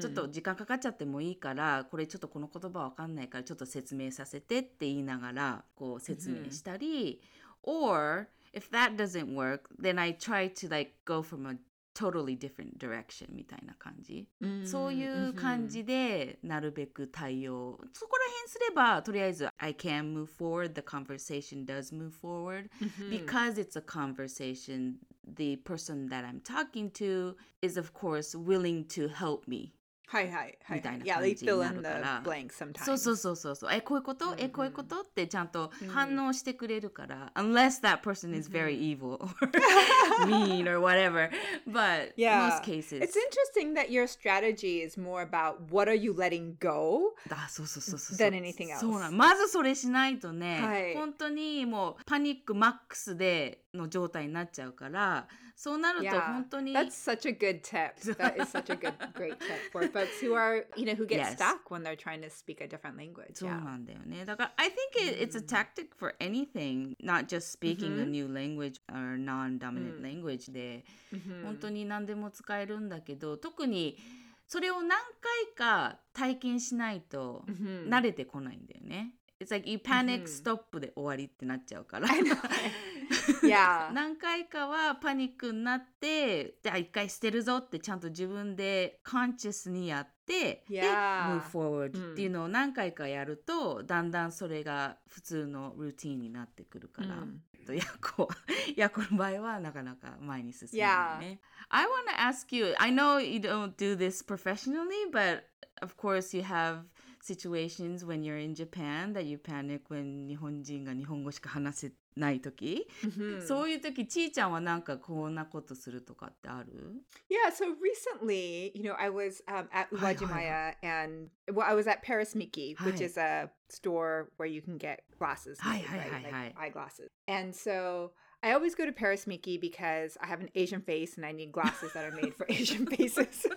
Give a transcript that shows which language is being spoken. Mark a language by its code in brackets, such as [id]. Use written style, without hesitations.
[ja] ちょっと時間かかっちゃってもいいから、これちょっとこの言葉わかんないからちょっと説明させてって言いながらこう説明したり、mm-hmm. [en] or if that doesn't work, then I try to like go from a totally different direction [ja] みたいな感じ、 mm-hmm. そういう感じでなるべく対応、 [en] mm-hmm. [ja] そこら辺すればとりあえず [en] I can move forward, the conversation does move forward、 mm-hmm. because it's a conversation, the person that I'm talking to is of course willing to help me [ja] はいはいはい、はい、 [en] yeah, they fill in the blanks sometimes [ja] そうそうそうそうそう、え、こういうこと、mm-hmm. え、こういうことってちゃんと反応してくれるから、mm-hmm. [en] unless that person is very evil or mean or whatever but yeah, most cases it's interesting that your strategy is more about what are you letting go [ja] あ、そうそうそうそう [en] than anything else [ja] そうなまずそれしないとね、はい、本当にもうパニックマックスでの状態になっちゃうからそうなると本当に [en] yeah, that's such a good tip that is such a good great tip for folks who are you know who get、yes. stuck when they're trying to speak a different language そうなんだよね、yeah. だから I think it, it's a tactic for anything not just speaking、mm-hmm. a new language or non-dominant、mm-hmm. language で、 mm-hmm. [ja] 本当に何でも使えるんだけど特にそれを何回か体験しないと慣れてこないんだよね、 mm-hmm. [en] it's like you panic、mm-hmm. stop [ja] で終わりってなっちゃうから [en] yeah. [ja] 何回かはパニックになってじゃあ一回捨てるぞってちゃんと自分で conscious にやって、 [en] yeah. [ja] で [en] move forward [ja] っていうのを何回かやると、うん、だんだんそれが普通のルーティーンになってくるから、うん、ヤコの場合はなかなか前に進むよね、 [en] yeah. I want to ask you I know you don't do this professionally but of course you haveSituations when you're in Japan that you panic when [ja] 日本人が日本語しか話せない時、 mm-hmm. そういう時ちーちゃんはなんかこんなことするとかってある [en] Yeah, so recently, you know, I was、at Uwajimaya、はいはいはい、and well, I was at Paris Miki, which、はい、is a store where you can get glasses, maybe,、はいはいはいはい、 like eyeglasses. And so... I always go to Paris Miki because I have an Asian face and I need glasses that are made for Asian faces.